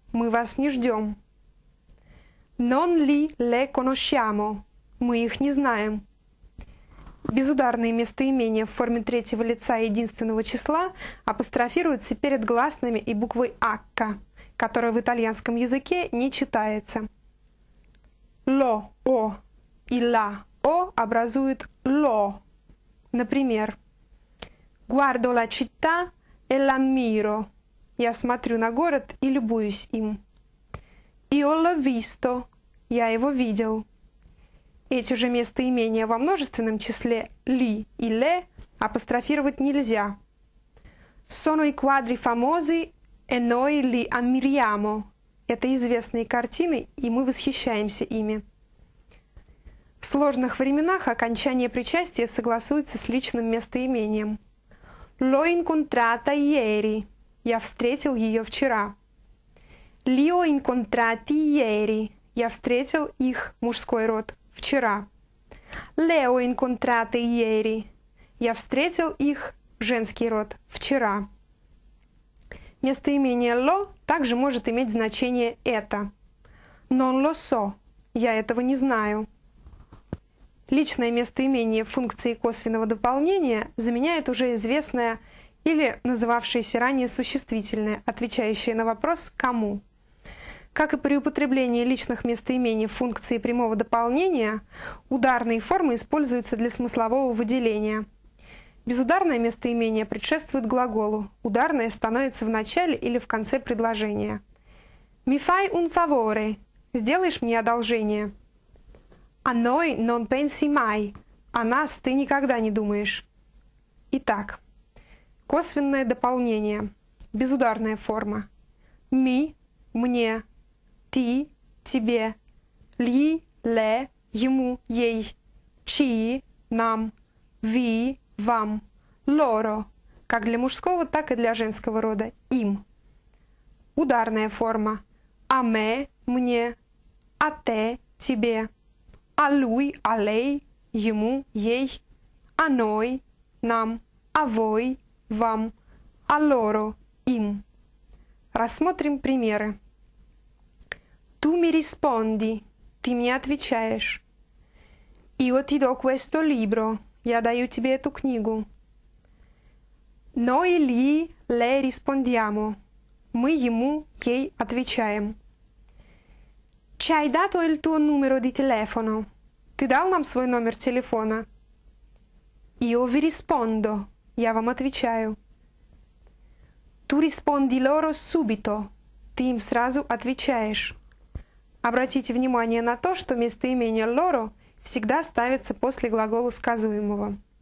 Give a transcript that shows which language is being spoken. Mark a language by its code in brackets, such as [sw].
[ru] Мы вас не ждем. [it] Non li le conosciamo. [ru] Мы их не знаем. Безударные местоимения в форме третьего лица единственного числа апострофируются перед гласными и буквой «h», которая в итальянском языке не читается. [it] Lo, o и la, o образуют lo. Например, Guardo la città e la miro. [ru] Я смотрю на город и любуюсь им. [it] Io l'ho visto. [ru] Я его видел. Эти же местоимения во множественном числе «ли» и «ле» апострофировать нельзя. [it] «Sono i quadri famosi e noi li ammiriamo». [ru] Это известные картины, и мы восхищаемся ими. В сложных временах окончание причастия согласуется с личным местоимением. [it] «L'ho incontrata ieri». [ru] Я встретил ее вчера. [it] «Li ho incontrati ieri». [ru] Я встретил их, мужской род, вчера. [it] Leo incontrate ieri. [ru] Я встретил их, женский род, вчера. Местоимение «ло» также может иметь значение «это». [it] «Non lo so» [ru] – «я этого не знаю». Личное местоимение в функции косвенного дополнения заменяет уже известное или называвшееся ранее существительное, отвечающее на вопрос «кому?». Как и при употреблении личных местоимений в функции прямого дополнения, ударные формы используются для смыслового выделения. Безударное местоимение предшествует глаголу, ударное становится в начале или в конце предложения. [it] «Mi fai un favore» – [ru] «сделаешь мне одолжение». [it] «A noi non pensi mai» [ru] – «о нас ты никогда не думаешь». Итак, косвенное дополнение, безударная форма. «Mi» – «мне», «ti» – «тебе», «li» – «le» – «ему», «ей», «chi» – «нам», «vi» – «вам», «loro» – как для мужского, так и для женского рода, «им». Ударная форма. [it] «A me» – «мне», «a te» – «тебе», «a lui» – «a lei» – «ему», «ей», «a noi» – «нам», «a voi» – «вам», «a loro» – «им». [ru] Рассмотрим примеры. [it] «Tu mi rispondi» [ru] – «ты мне отвечаешь». [it] «Io ti do questo libro» [ru] – «я даю тебе эту книгу». [it] «Noi li le rispondiamo» [ru] – «мы ему, ей отвечаем». [it] «Ci hai dato il tuo numero di telefono» – [ru] «ты дал нам свой номер телефона». [it] «Io vi rispondo» [ru] – «я вам отвечаю». [it] «Tu rispondi loro subito» [ru] – «ты им сразу отвечаешь». Обратите внимание на то, что местоимение «loro» всегда ставится после глагола сказуемого.